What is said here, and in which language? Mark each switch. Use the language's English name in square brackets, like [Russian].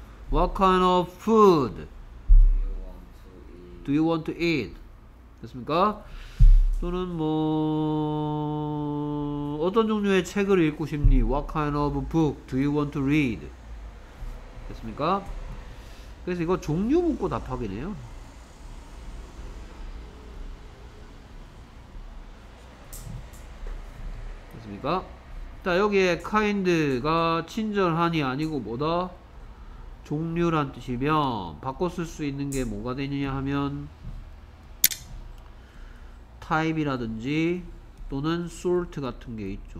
[English] What kind of food do you want to eat? [Korean] 됐습니까? 또는 뭐 어떤 종류의 책을 읽고 싶니? [English] What kind of book do you want to read? [Korean] 됐습니까? 그래서 이거 종류 묻고 답하기네요. 됐습니까? 자, 여기에 kind가 친절한이 아니고 뭐다? 종류란 뜻이면 바꿔 쓸 수 있는 게 뭐가 되느냐 하면 type이라든지 또는 sort 같은 게 있죠.